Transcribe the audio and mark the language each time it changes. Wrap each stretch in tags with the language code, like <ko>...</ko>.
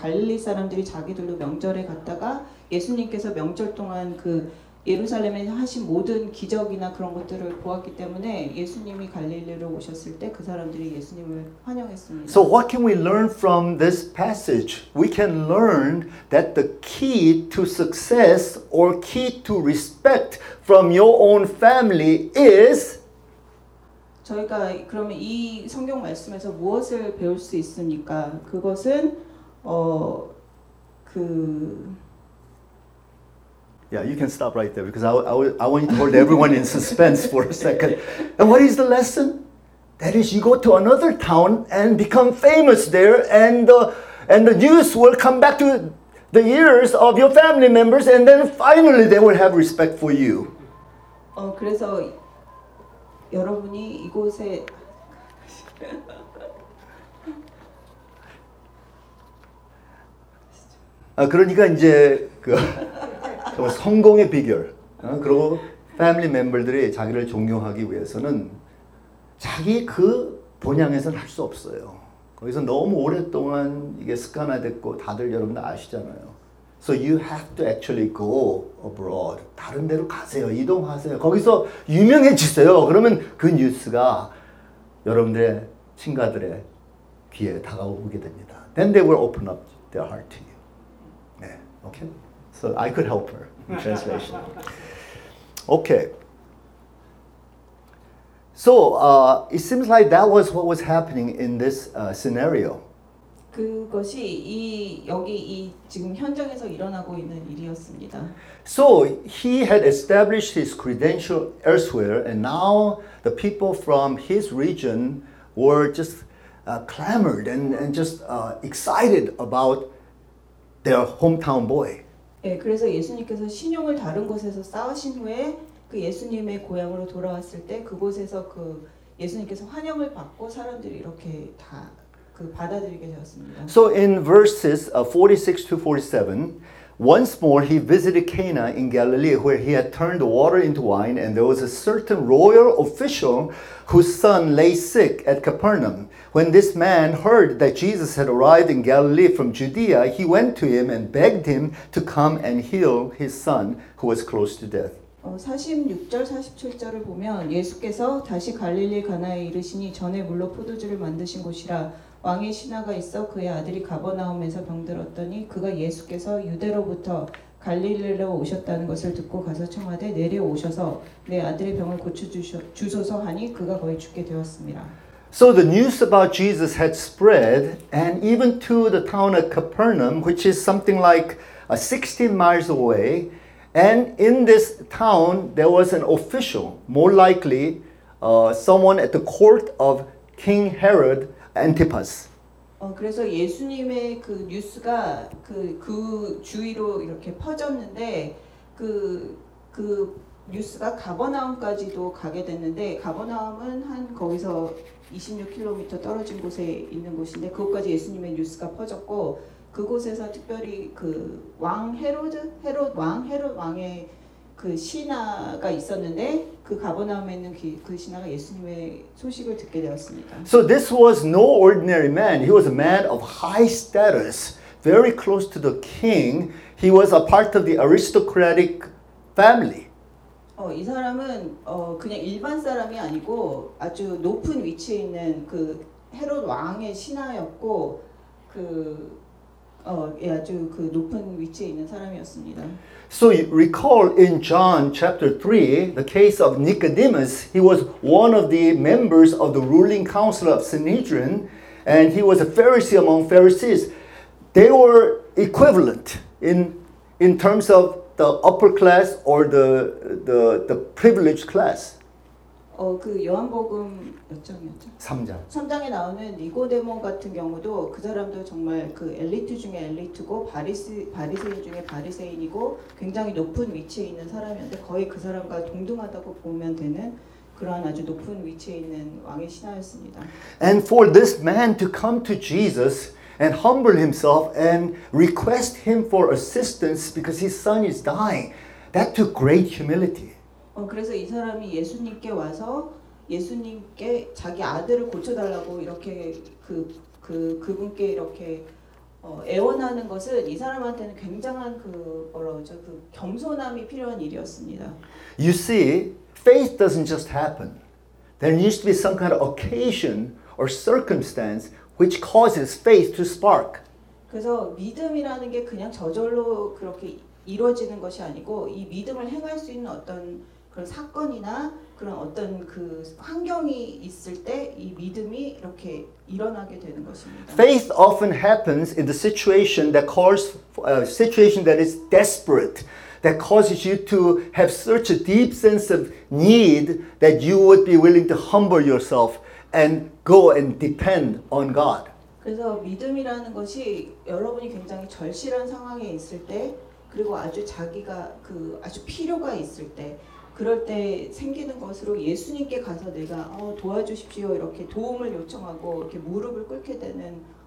<ko>갈릴리 사람들이 자기들도 명절에 갔다가 예수님께서 명절 동안 그 예루살렘에 하신 모든 기적이나 그런 것들을 보았기 때문에 예수님이 갈릴리로 오셨을 때 그 사람들이 예수님을 환영했습니다.</ko> <en>So what can we learn from this passage? We can learn that the key to success or key to respect from your own family is</en> <ko>저희가 그러면 이 성경 말씀에서 무엇을 배울 수 있습니까? 그것은</ko> <en>Yeah, you can stop right there because I want you to hold everyone in suspense for a second. And what is the lesson? That is, you go to another town and become famous there, and the news will come back to the ears of your family members, and then finally they will have respect for you.</en> <ko>그래서 여러분이 이곳에 그러니까 이제 그 성공의 비결. 그리고 패밀리 멤버들이 자기를 존경하기 위해서는 자기 그 본향에서는 할 수 없어요. 거기서 너무 오랫동안 이게 습관화됐고 다들 여러분들 아시잖아요.</ko> <en>So you have to actually go abroad.</en> <ko>다른 데로 가세요. 이동하세요. 거기서 유명해지세요. 그러면 그 뉴스가 여러분들의 친가들의 귀에 다가오게 됩니다.</ko> <en>Then they will open up their heart to you.</en> <ko>네,</ko> <en>okay? So I could help her in translation. Okay. So it seems like that was what was happening in this scenario.</en> <ko>그것이 이 여기 이 지금 현장에서 일어나고 있는 일이었습니다.</ko> <en>So he had established his credential elsewhere, and now the people from his region were just clamored and just excited about their hometown boy.</en> <ko>예, 그래서 예수님께서 신용을 다른 곳에서 쌓으신 후에 그 예수님의 고향으로 돌아왔을 때 그곳에서 그 예수님께서 환영을 받고 사람들이 이렇게 다 그 받아들이게 되었습니다.</ko> <en>So in verses 46 to 47, once more he visited Cana in Galilee, where he had turned water into wine, and there was a certain royal official whose son lay sick at Capernaum. When this man heard that Jesus had arrived in Galilee from Judea, he went to him and begged him to come and heal his son, who was close to death.</en> <ko>46절, 47절을 보면 예수께서 다시 갈릴리 가나에 이르시니 전에 물로 포도주를 만드신 곳이라 왕의 신하가 있어 그의 아들이 가버나움에서 병들었더니 그가 예수께서 유대로부터 갈릴리로 오셨다는 것을 듣고 가서 청하되 내려오셔서 내 아들의 병을 고쳐주소서 하니 그가 거의 죽게 되었습니다.</ko> <en>So the news about Jesus had spread, and even to the town of Capernaum, which is something like 16 miles away, and in this town there was an official, more likely someone at the court of King Herod Antipas.</en> <ko>그래서 예수님의 그 뉴스가 그 주위로 이렇게 퍼졌는데 그 뉴스가 가버나움까지도 가게 됐는데 가버나움은 한 거기서 26km 떨어진 곳에 있는 곳인데 그곳까지 예수님의 뉴스가 퍼졌고 그곳에서 특별히 그 왕 헤롯 왕의 그 신하가 있었는데 그 가버나움에 있는 그 신하가 예수님의 소식을 듣게 되었습니다.</ko> <en>So this was no ordinary man. He was a man of high status, very close to the king. He was a part of the aristocratic family.</en> <ko>이 사람은 그냥 일반 사람이 아니고 아주 높은 위치에 있는 그 헤롯 왕의 신하였고 아주 그 높은 위치에 있는 사람이었습니다.</ko> <en>So you recall in John chapter 3, the case of Nicodemus. He was one of the members of the ruling council of Sanhedrin, and he was a Pharisee among Pharisees. They were equivalent in terms of the upper class or the privileged class.</en> <ko>그 요한복음 몇 장이었죠? 3장. 3장에 나오는 니고데모 같은 경우도 그 사람도 정말 그 엘리트 중에 엘리트고 바리새인 중에 바리새인이고 굉장히 높은 위치에 있는 사람이었는데 거의 그 사람과 동등하다고 보면 되는 그러한 아주 높은 위치에 있는 왕의 신하였습니다.</ko> <en>And for this man to come to Jesus and humble himself and request him for assistance because his son is dying, that took great humility.</en> <ko>그래서 이 사람이 예수님께 와서 예수님께 자기 아들을 고쳐달라고 이렇게 그분께 이렇게 애원하는 것은 이 사람한테는 굉장한 그 겸손함이 필요한 일이었습니다.</ko> <en>You see, faith doesn't just happen. There needs to be some kind of occasion or circumstance which causes faith to spark.</en> <ko>그래서 믿음이라는 게 그냥 저절로 그렇게 이루어지는 것이 아니고 이 믿음을 행할 수 있는 어떤 그런 사건이나 그런 어떤 그 환경이 있을 때 이 믿음이 이렇게 일어나게 되는 것입니다.</ko> <en>Faith often happens in the situation that calls a situation that is desperate, that causes you to have such a deep sense of need that you would be willing to humble yourself and go and depend on God.</en> <ko>그래서 믿음이라는 것이 여러분이 굉장히 절실한 상황에 있을 때 그리고 아주 자기가 그 아주 필요가 있을 때 그럴 때 생기는 것으로 예수님께 가서 내가 도와주십시오 이렇게 도움을 요청하고 이렇게 무릎을 꿇게 되는</ko>